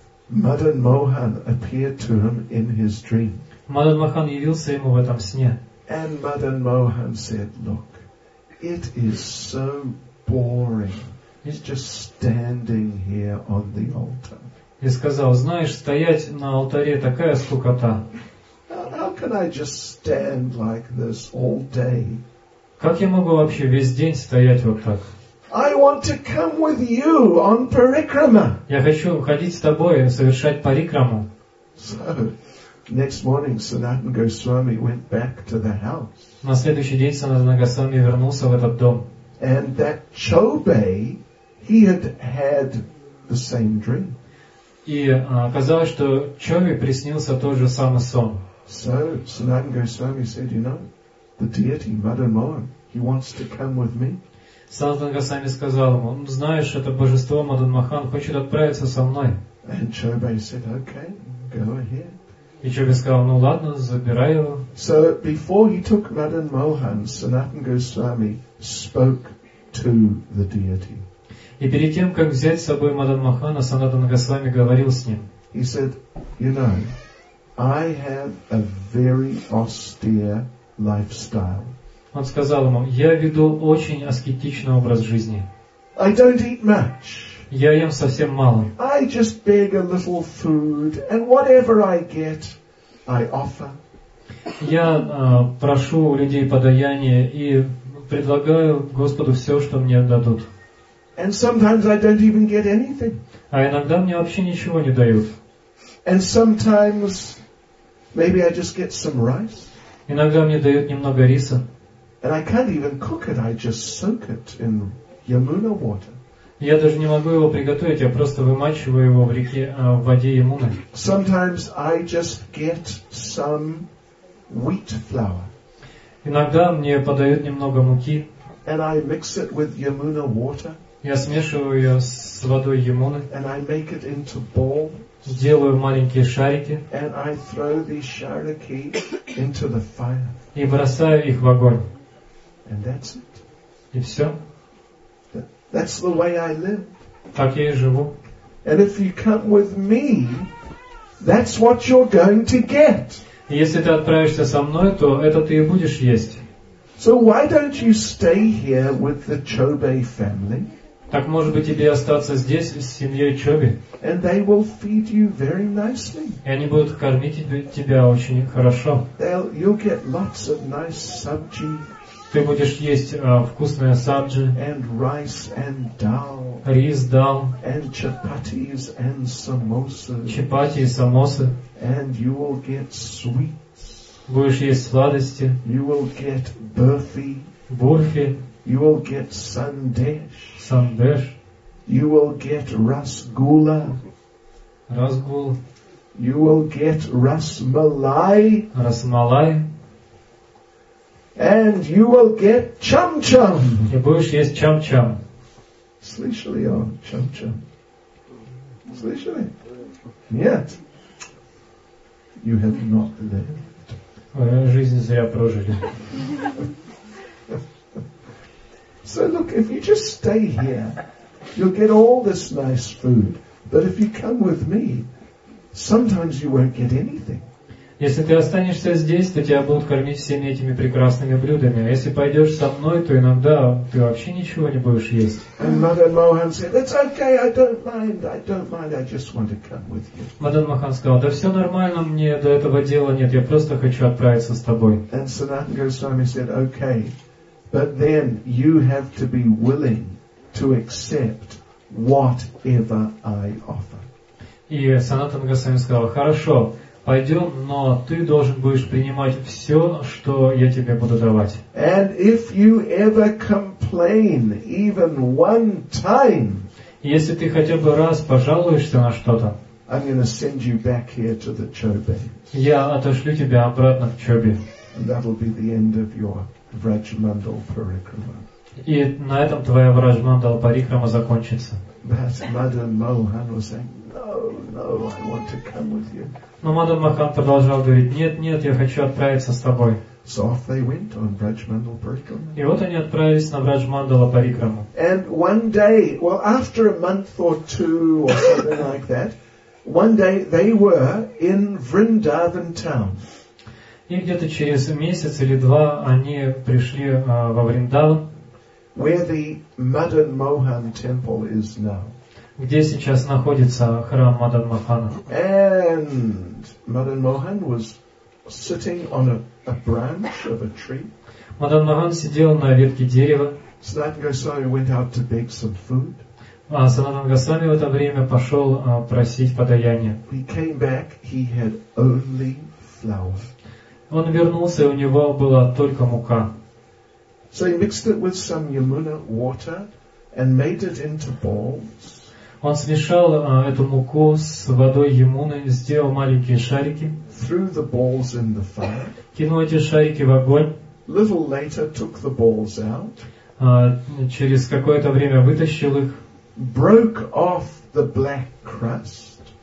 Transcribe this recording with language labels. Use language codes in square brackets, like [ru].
[en] Madan Mohan appeared to him in his dream. [ru] Мадан Махан явился ему в этом сне. [en] And Madan Mohan said, look, it is so boring. He's just standing here on the altar. [ru] И сказал, знаешь, стоять на алтаре такая скукота. [en] How can I just stand like this all day? [ru] Как я могу вообще весь день стоять вот так? [en] I want to come with you on parikrama. [ru] Я хочу ходить с тобой и совершать парикраму. [en] So, next morning, Sanatan Goswami went back to the house. [ru] На следующий день Санатан Госвами вернулся в этот дом. [en] And that Chobei, he had the same dream. [ru] И оказалось, что Чоби приснился тот же самый сон. [en] So Sanatan Goswami said, you know, the deity Madan Mohan, he wants to come with me. [ru] Санатан Госвами сказал ему, знаешь, это божество Мадан Махан хочет отправиться со мной. [en] And Chobei said, okay, go ahead. [ru] И Чоби сказал, ну ладно, забирай его. [en] So before he took Madan Mohan, Sanatan Goswami spoke to the deity. [ru] И перед тем, как взять с собой Мадан Махана, Санатан Госвами говорил с ним. [en] He said, you know, I have a very austere lifestyle. [ru] Он сказал ему, я веду очень аскетичный образ жизни. [en] I don't eat much. [ru] Я ем совсем мало. [en] I just beg a little food, and whatever I get, I offer. [ru] Я прошу у людей подаяние и предлагаю Господу все, что мне дадут. [en] And sometimes I don't even get anything. [ru] А иногда мне вообще ничего не дают. [en] And sometimes maybe I just get some rice. [ru] Иногда мне дают немного риса. [en] And I can't even cook it. I just soak it in Yamuna water. [ru] Я даже не могу его приготовить. Я просто вымачиваю его в реке, в воде Ямуны. [en] Sometimes I just get some wheat flour. [ru] Иногда мне подают немного муки. [en] And I mix it with Yamuna water. [ru] Я смешиваю ее с водой Ямуны. [en] And I make it into balls. [ru] Сделаю маленькие шарики. [en] And I throw these [ru] shariki [en] into the fire. [ru] И бросаю их в огонь. [en] And that's it. [ru] И все. [en] That's the way I live. [ru] Так я и живу. [en] And if you come with me, that's what you're going to get. [ru] Если ты отправишься со мной, то это ты и будешь есть. [en] So why don't you stay here with the Chobei family? [ru] Так может быть тебе остаться здесь с семьей Чоби? [en] And they will feed you very nicely. [ru] И они будут кормить тебя очень хорошо. [en] You'll get lots of nice sabji. [ru] Ты будешь есть вкусное сабджи. [en] And rice and dal. [ru] Рис, дал. [en] And chapatis and samosas. [ru] Чапати и самосы. [en] And you will get sweets. [ru] Будешь есть сладости. [en] You will get burfi. [ru] Бурфи. [en] You will get sandesh. [ru] Sandesh. [en] You will get rasgulla. [ru] Rasgul. [en] You will get rasmalai. [ru] Rasmalai. [en] And you will get chum chum. [ru] И будешь есть чам чам. Слышали о чам чам? Слышали? Нет. [en] You have not lived. [ru] Жизнь зря прожили. [en] So look, if you just stay here, you'll get all this nice food. But if you come with me, sometimes you won't get anything. [ru] Если ты останешься здесь, то тебя будут кормить всеми этими прекрасными блюдами. А если пойдешь со мной, то иногда ты вообще ничего не будешь есть. [en] And Madan Mohan said, it's okay, I don't mind, I just want to come with you. [ru] Madan Mohan сказал, да все нормально, мне до этого дела нет, я просто хочу отправиться с тобой. [en] And Sanatana Goswami said, okay, but then you have to be willing to accept whatever I offer. [ru] И Санатана Госвами сказал, хорошо, пойдем, но ты должен будешь принимать все, что я тебе буду давать. [en] And if you ever complain, even one time, [ru] если ты хотя бы раз пожалуешься на что-то, [en] I'm going to send you back here to the Chobe. [ru] Я отошлю тебя обратно в Чобе. [en] And that'll be the end of your Vrajmandal Parikrama. [ru] И на этом твоя Vrajmandal Parikrama закончится. [en] But Madan Mohan was saying, No, I want to come with you. [ru] Но Мадан Махан продолжал говорить, нет, я хочу отправиться с тобой. [en] So off they went on Vrajmandal Parikrama. [ru] И вот они отправились на Vrajmandala Parikrama. [en] And one day, well, after a month or two or something like that, one day they were in Vrindavan town. [ru] И где-то через месяц или два они пришли во Вриндаван. [en] Where the Madan Mohan temple is now. [ru] Где сейчас находится храм Мадан Махана. [en] And Madan Mohan was sitting on a branch of a tree. [ru] Мадан Махан сидел на ветке дерева. [en] Sanatana Goswami went out to beg some food. [ru] А Санатана Госвами в это время пошел просить подаяние. [en] He came back, he had only flour. [ru] Он вернулся, и у него была только мука. [en] So he mixed it with some Yamuna water and made it into balls. [ru] Он смешал эту муку с водой Ямуны, сделал маленькие шарики, [en] threw the balls in the fire, [ru] кинул эти шарики в огонь, [en] little later took the balls out, [ru] через какое-то время вытащил их, [en] broke off the black crust,